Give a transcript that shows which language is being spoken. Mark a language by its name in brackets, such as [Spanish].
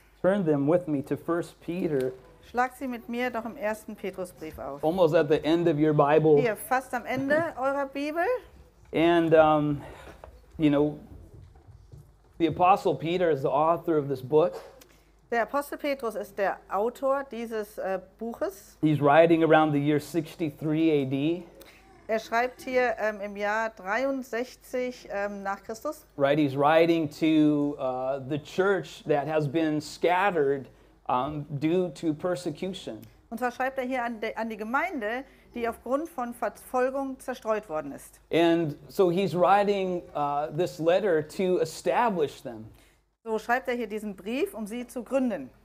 [English] turn them with me to 1 Peter. [German] Schlagt sie mit mir doch im ersten Petrusbrief auf. [English] Almost at the end of your Bible. [German] Hier, fast am Ende eurer Bibel. [English] And you know, the Apostle Peter is the author of this book. [German] Der Apostel Petrus ist der Autor dieses Buches. [English] He's writing around the year 63 AD. [German] Er schreibt hier im Jahr 63 nach Christus. [English] Right, he's writing to the church that has been scattered due to persecution. [German] Und zwar schreibt er hier an die Gemeinde, die aufgrund von Verfolgung zerstreut worden ist. [English] And so he's writing this letter to establish them. [German] So schreibt er hier diesen Brief, um sie zu gründen.